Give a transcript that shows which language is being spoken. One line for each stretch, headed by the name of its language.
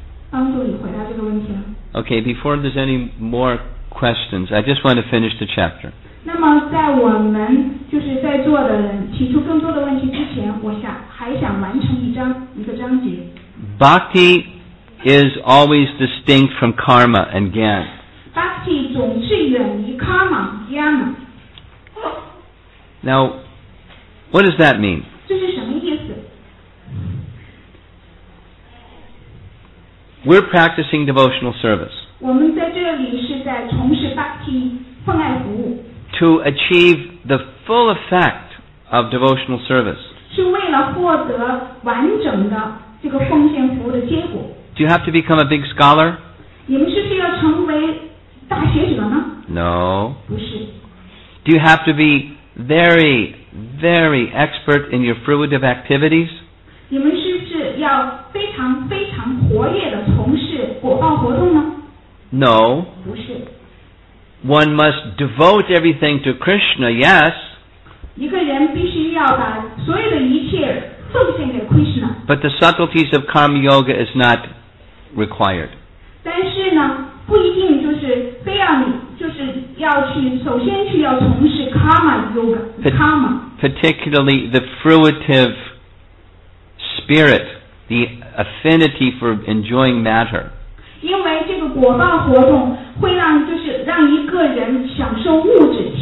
Chinese: 帮助你回答这个问题了。
English: Okay, before there's any more questions, I just want to finish the chapter.
Chinese: 那么在我们就是在座的人提出更多的问题之前，我想。
English: Bhakti is always distinct from karma and gyan.
Chinese: Bhakti 总是远离 karma gyan.
English: Now, what does that mean?
Chinese: 这是什么意思？
English: We're practicing devotional service.
Chinese: 我们在这里是在从事 bhakti 奉爱服务。
English: To achieve the full effect of devotional service.
Chinese: 是为了获得完整的这个奉献服务的结果。
English: Do you have to become a big scholar?
Chinese: 你们是不是要成为大学者呢？
English: No.
Chinese: 不是。
English: Do you have to be very, very expert in your fruitive activities?
Chinese: 你们是不是要非常非常活跃的从事果报活动呢？
English: No.
Chinese: 不是。
English: One must devote everything to Krishna, yes.
Chinese: 一个人必须要把所有的一切奉献给 Krishna.
English: But the subtleties of karma yoga is not required.
Chinese: 但是呢，不一定就是非要你就是要去首先去要从事 karma yoga karma.
English: Particularly the fruitive spirit, the affinity for enjoying matter.
Chinese: 因为这个果报活动会让就是让一个人享受物质。